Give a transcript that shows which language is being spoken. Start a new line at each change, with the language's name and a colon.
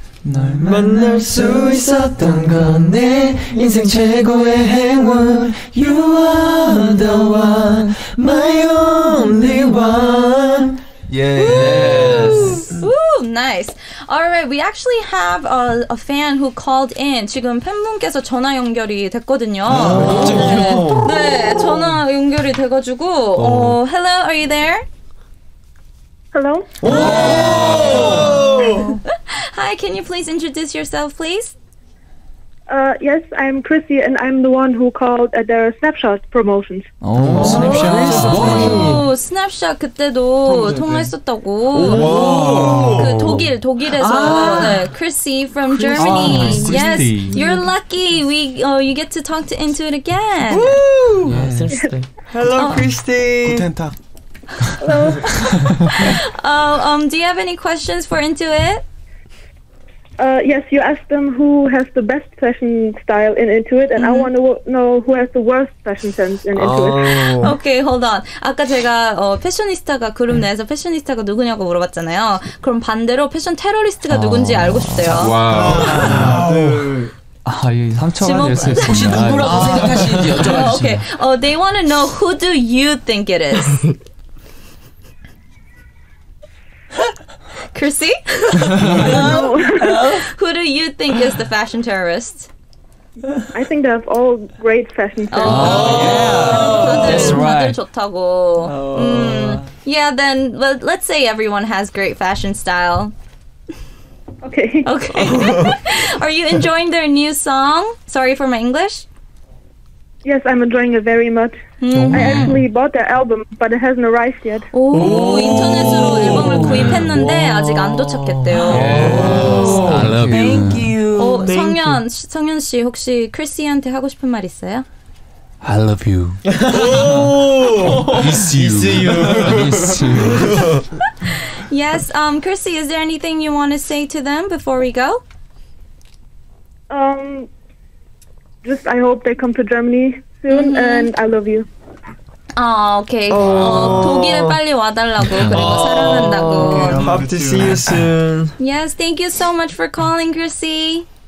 Korean: 널 만날 수 있었던 건 내 인생 최고의 행운
English: You are the one, my only one Yes! Woo! Nice! Alright, we actually have a fan who called in.
Korean: 지금 팬분께서 전화 연결이 됐거든요. 네, 전화 연결이 돼가지고
English: Hello, are you there? Hello. Hi, can you please introduce yourself, please? Yes, I'm Chrissy, and I'm the one who called at their Snapshot promotions.
Korean: Snapshot 그때도 통화했었다고. 오. 그 독일에서
English: Chrissy from Germany. Yes, you're lucky. We you get to talk to Intuit again. Woo! Hello, Chrissy.
German: Guten Tag.
English: Hello. Do you have any questions for Intuit? Yes, you asked them who has the best fashion style in Intuit, and I want to know who has the worst fashion sense in Intuit. Okay, hold on.
Korean: 아까 제가 패셔니스타가 그룹 내에서 패셔니스타가 누구냐고 물어봤잖아요. 그럼 반대로 패션 테러리스트가 누군지 알고 싶대요. 와.
English: Wow.
Korean: 아, 이 상처가 될 수 있어요. 혹시 누구라고 생각하시는지 여쭤봐 주세요.
English: Okay. They want to know who do you think it is. Chrissy? Who do you think is the fashion terrorist? I think they have all great fashion sense. That's right.
Korean: 다들 좋다고.
English: Yeah, then well, let's say everyone has great fashion style. Okay. Okay. Are you enjoying their new song? Sorry for my English. Yes, I'm enjoying it very much. Mm-hmm. I actually bought their album, but it hasn't arrived yet.
Korean: Oh, 인터넷으로 앨범을 구입했는데 아직 안 도착했대요.
English: Yes, I love you. Thank you. Thank
Korean: 성현, 씨, 성현 씨 혹시 크리스한테 하고 싶은 말 있어요?
English: I love you. miss you. miss you. yes, Chrissy, is there anything you want to say to them before we go? Just I hope they come to Germany soon, and I love you.
Korean: 아, 오케이. 독일에 빨리 와달라고 그리고 사랑한다고.
English: Hope to see you soon. Yes, thank you so much for calling, Chrissy.